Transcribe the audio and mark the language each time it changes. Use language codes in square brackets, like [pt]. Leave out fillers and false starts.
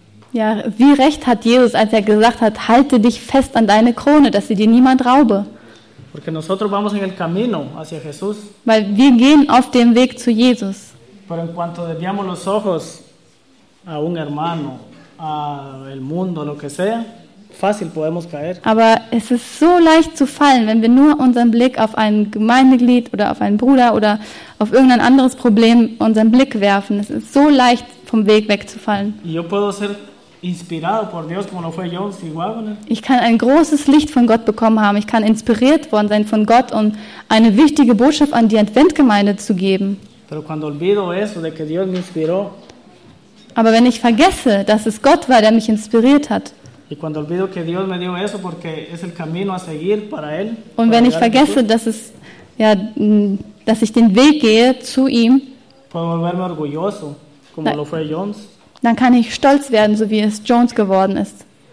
[de] Wie recht hat Jesus, als er gesagt hat, halte dich fest an deine Krone, dass sie dir niemand raube? [es] Porque nosotros vamos en el camino hacia Jesús. [de] Weil wir gehen auf dem Weg zu Jesus. [es] Pero en cuanto desviamos los ojos a un hermano, a el mundo, lo que sea, fácil podemos caer. [de] Aber es ist so leicht zu fallen, wenn wir nur unseren Blick auf ein Gemeindeglied oder auf einen Bruder oder auf irgendein anderes Problem unseren Blick werfen. Es ist so leicht, vom Weg wegzufallen. [es] Yo puedo ser inspirado por Dios, como lo fue John C. Wagner. [de] Ich kann ein großes Licht von Gott bekommen haben. Ich kann inspiriert worden sein von Gott, um eine wichtige Botschaft an die Adventgemeinde zu geben. [es] Pero cuando olvido eso de que Dios me inspiró, [de] aber wenn ich vergesse, dass es Gott war, der mich inspiriert hat, und wenn ich vergesse, dass es ja, dass ich den Weg gehe zu ihm, dann kann ich stolz werden, so wie es Jones geworden ist.